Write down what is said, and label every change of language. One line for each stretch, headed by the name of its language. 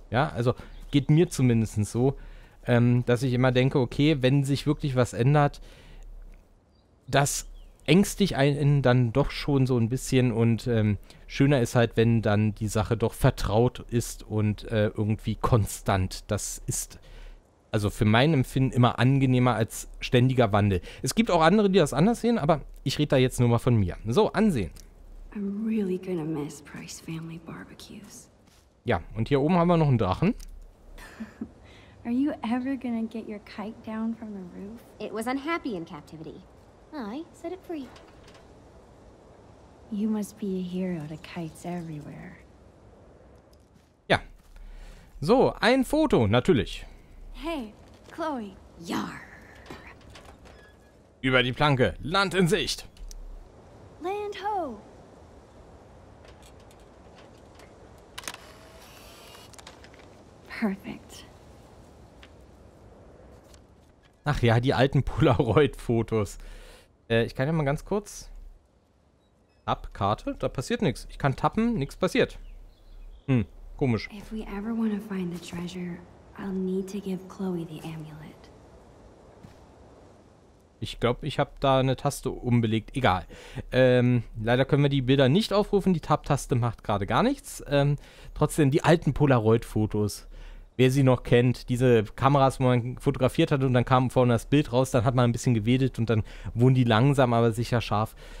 German: Ja, also geht mir zumindest so, dass ich immer denke, okay, wenn sich wirklich was ändert, das ängstigt einen dann doch schon so ein bisschen und schöner ist halt, wenn dann die Sache doch vertraut ist und irgendwie konstant. Das ist also für mein Empfinden immer angenehmer als ständiger Wandel. Es gibt auch andere, die das anders sehen, aber ich rede da jetzt nur mal von mir. So, ansehen.
English: I'm really gonna miss Price Family Barbecues.
German: Ja, und hier oben haben wir noch einen Drachen.
English: Are you ever gonna get your kite down from the roof? It was unhappy in captivity. I set it free. You must be a hero to kites everywhere.
German: Ja. So, ein Foto, natürlich.
English: Hey, Chloe. Yar.
German: Über die Planke. Land in Sicht.
English: Land ho. Perfect.
German: Ach ja, die alten Polaroid-Fotos. Ich kann ja mal ganz kurz. Ab Karte, da passiert nichts. Ich kann tappen, nichts passiert. Hm, komisch.
English: If we ever want to find the treasure, I'll need to give Chloe the amulet.
German: Ich glaube, ich habe da eine Taste umbelegt. Egal. Leider können wir die Bilder nicht aufrufen. Die Tab-Taste macht gerade gar nichts. Trotzdem, die alten Polaroid-Fotos. Wer sie noch kennt, diese Kameras, wo man fotografiert hat und dann kam vorne das Bild raus, dann hat man ein bisschen gewedelt und dann wurden die langsam, aber sicher scharf.